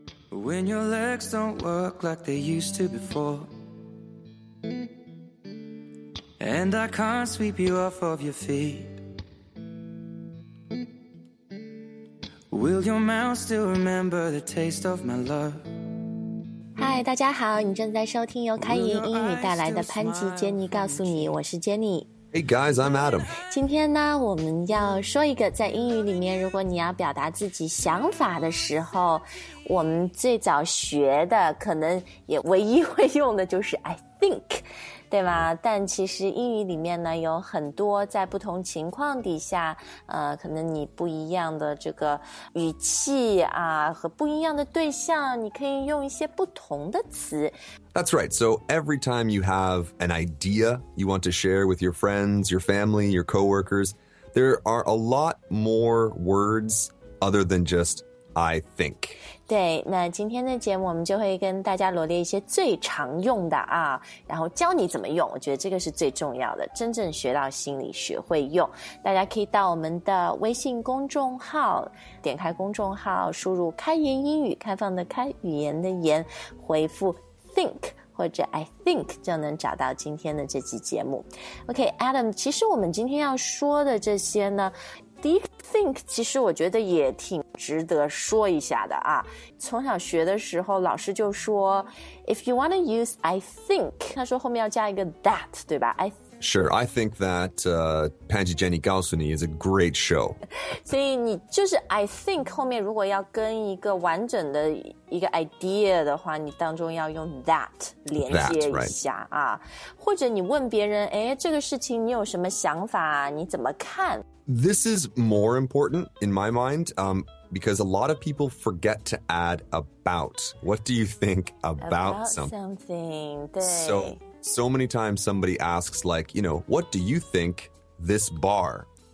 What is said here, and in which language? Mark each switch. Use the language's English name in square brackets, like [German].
[English] When your legs don't work like they used to before, and I can't sweep you off of your feet, will your mouth still remember the taste of my love? [Chinese] Hi, 大家好，你正在收听由开言英语带来的潘吉杰尼告诉你，我是杰尼。 [English] Hey guys, I'm Adam. [Chinese] 今天呢，我们要说一个在英语里面，如果你要表达自己想法的时候，我们最早学的，可能也唯一会用的就是 I think, 对吧？但其实英语里面呢，有很多在不同情况底下，可能你不一样的这个语气啊，和不一样的对象，你可以用一些不同的词。 [English] That's right. So every time you have an idea you want to share with your friends, your family, your coworkers, there are a lot more words other than just I think. [Chinese] 对，那今天的节目我们就会跟大家罗列一些最常用的啊，然后教你怎么用。我觉得这个是最重要的，真正学到心里学会用。大家可以到我们的微信公众号，点开公众号，输入开言英语，开放的开，语言的言，回复think 或者 I think 就能找到今天的这期节目。 OK, Adam, 其实我们今天要说的这些呢 Deep think 其实我觉得也挺值得说一下的啊。从小学的时候老师就说 [English] If you want to use I think, [Chinese] 他说后面要加一个 that, 对吧？ [English] Sure, I think that Panji Jenny 告诉你 is a great show. [Chinese] 所以你就是 I think 后面如果要跟一个完整的一个 idea 的话，你当中要用 that 连接一下啊。 [English] That, right. [Chinese] 或者你问别人，哎，这个事情你有什么想法？你怎么看？ [English] This is more important in my mind, because a lot of people forget to add about. What do you think about something? [Chinese] 对。 [English] So many times somebody asks, like, you know, what do you think this bar?